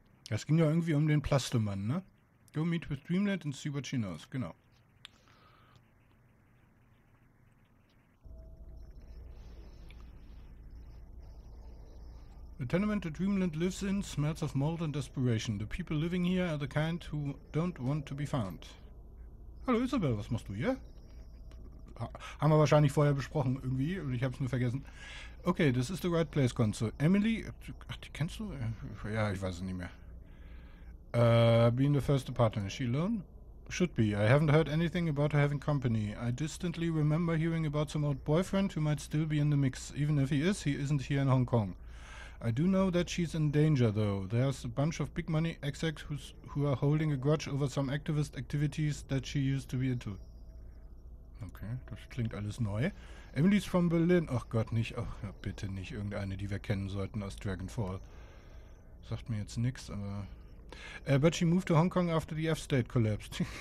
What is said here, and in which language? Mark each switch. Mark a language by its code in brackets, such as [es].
[de] Es ging ja irgendwie um den Plastemann, ne? [en] Go meet with Dreamland and see what she knows. [de] Genau. [en] The tenement that Dreamland lives in smells of mold and desperation. The people living here are the kind who don't want to be found. [de] Hallo Isabel, was machst du hier? Haben wir wahrscheinlich vorher besprochen, irgendwie, und ich hab's nur vergessen. [en] Okay, this is the right place, Konzo. [de] Emily, ach, die kennst du? Ja, ich weiß es nicht mehr. [en] Being the first apartment. Is she alone? Should be. I haven't heard anything about her having company. I distantly remember hearing about some old boyfriend who might still be in the mix. Even if he is, he isn't here in Hong Kong. I do know that she's in danger, though. There's a bunch of big money execs who are holding a grudge over some activist activities that she used to be into. [de] Okay, das klingt alles neu. [en] Emily's from Berlin. [de] Ach Gott, nicht. Ach, bitte nicht irgendeine, die wir kennen sollten aus Dragonfall. Sagt mir jetzt nichts, aber... [en] but she moved to Hong Kong after the F-State collapsed.